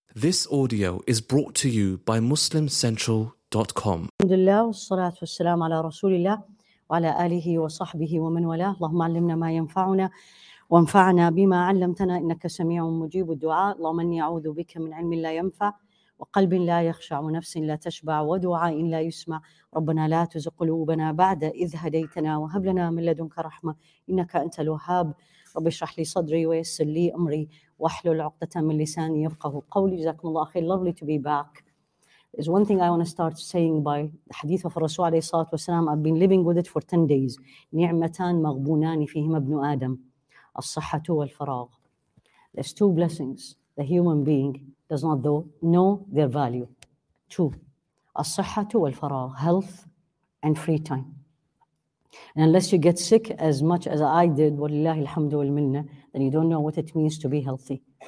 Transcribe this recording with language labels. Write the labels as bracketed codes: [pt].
[en] This audio is brought to you by MuslimCentral.com. [ar] الحمد لله والصلاة والسلام على رسول الله وعلى آله وصحبه ومن والاه. اللهم علمنا ما ينفعنا وانفعنا بما علمتنا إنك سميع مجيب الدعاء. اللهم إني أعوذ بك من علم لا ينفع وقلب لا يخشع ونفس لا تشبع ودعاء لا يسمع. ربنا لا تزغ قلوبنا بعد إذ هديتنا وهب لنا من لدنك رحمة إنك أنت الوهاب. رب اشرح لي صدري ويسر لي أمري واحلل عقدة من لساني يفقهوا قولي. جزاكم الله خير. [en] Lovely to be back. There's one thing I want to start saying by the hadith of Rasul [ar] عليه الصلاة والسلام. [en] I've been living with it for 10 days. [ar] نعمتان مغبونان فيهما ابن آدم الصحة والفراغ. [en] There's two blessings the human being does not know their value. Two. [ar] الصحة والفراغ. [en] Health and free time. And unless you get sick as much as I did, [ar] وَلِلَّهِ الْحَمْدُ وَالْمِنَّةِ, [en] then you don't know what it means to be healthy.